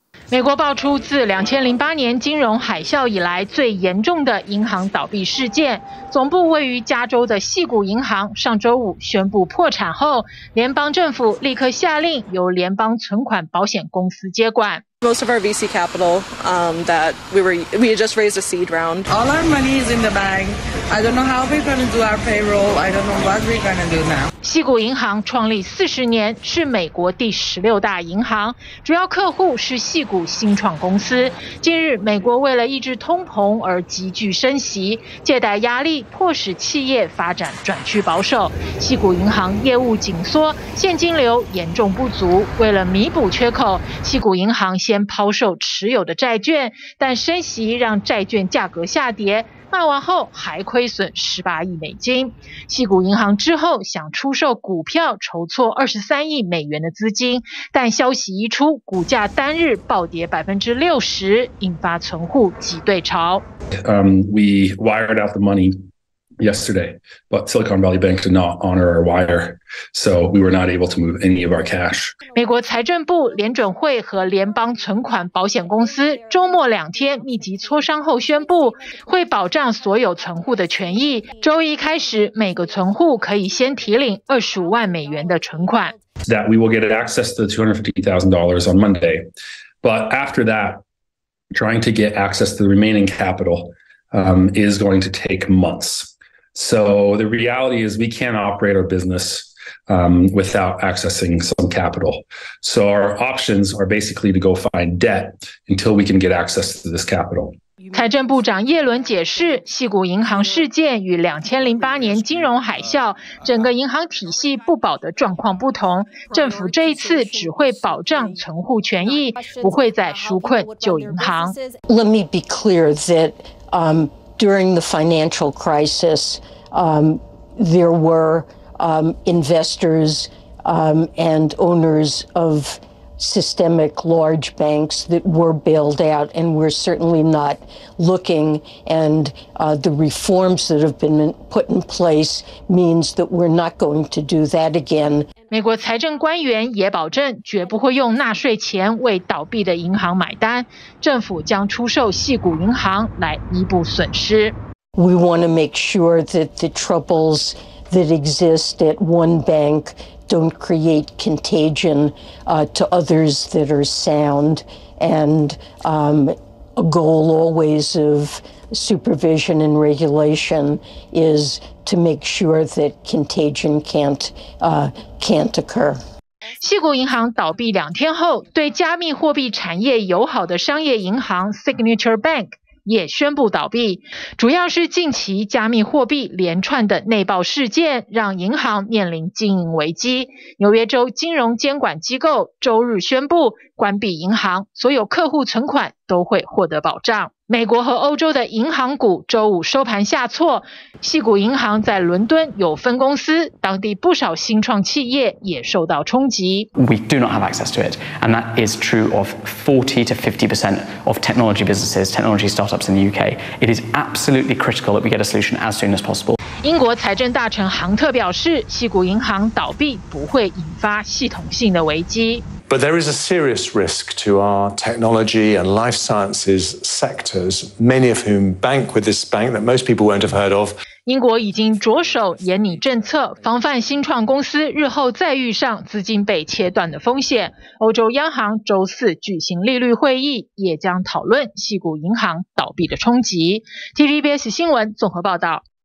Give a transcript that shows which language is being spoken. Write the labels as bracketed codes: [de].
[zh] 美国爆出自2008年金融海啸以来最严重的银行倒闭事件，总部位于加州的矽谷银行上周五宣布破产后，联邦政府立刻下令由联邦存款保险公司接管。 [en] Most of our VC capital, that we just raised a seed round. All our money is in the bank. I don't know how we're going to do our payroll. I don't know what we're going to do now. [zh] 矽谷银行创立40年，是美国第16大银行，主要客户是矽谷新创公司。近日，美国为了抑制通膨而急剧升息，借贷压力迫使企业发展转趋保守，矽谷银行业务紧缩，现金流严重不足。为了弥补缺口，矽谷银行先抛售持有的债券，但升息让债券价格下跌，卖完后还亏损$18亿。矽谷银行之后想出售股票筹措$23亿的资金，但消息一出，股价单日暴跌60%，引发存户挤兑潮。 [en] We wired out the money yesterday, but Silicon Valley Bank did not honor our wire, so we were not able to move any of our cash. [zh] 美国财政部、联准会和联邦存款保险公司周末两天密集磋商后宣布，会保障所有存户的权益。周一开始，每个存户可以先提领$25万的存款。 [en] That we will get access to the $250,000 on Monday, but after that, trying to get access to the remaining capital, is going to take months. So the reality is we can't operate our business, without accessing some capital. So our options are basically to go find debt until we can get access to this capital. [zh] 财政部长耶伦解释，矽谷银行事件与2008年金融海啸整个银行体系不保的状况不同，政府这一次只会保障存户权益，不会再纾困旧银行。 [en] Let me be clear that, during the financial crisis, there were investors and owners of systemic large banks that were bailed out, and we're certainly not looking. And the reforms that have been put in place means that we're not going to do that again. [zh] 美国财政官员也保证绝不会用纳税钱为倒闭的银行买单，政府将出售矽谷银行来弥补损失。 [en] We want to make sure that the troubles that exist at one bank don't create contagion to others that are sound. And a goal always of supervision and regulation is to make sure that contagion can't occur. [zh] 矽谷银行倒闭两天后，对加密货币产业友好的商业银行 Signature Bank 也宣布倒闭。主要是近期加密货币连串的内爆事件，让银行面临经营危机。纽约州金融监管机构周日宣布关闭银行，所有客户存款都会获得保障。美国和欧洲的银行股周五收盘下挫，矽谷银行在伦敦有分公司，当地不少新创企业也受到冲击。 [en] We do not have access to it, and that is true of 40-50% of technology businesses, technology startups in the UK. It is absolutely critical that we get a solution as soon as possible. [zh] 英国财政大臣杭特表示，矽谷银行倒闭不会引发系统性的危机。 [en] But there is a serious risk to our technology and life sciences sectors, many of whom bank with this bank that most people won't have heard of. [zh] 英国已经着手严拟政策，防范新创公司日后再遇上资金被切断的风险。欧洲央行周四举行利率会议，也将讨论矽谷银行倒闭的冲击。 TVBS 新闻综合报道。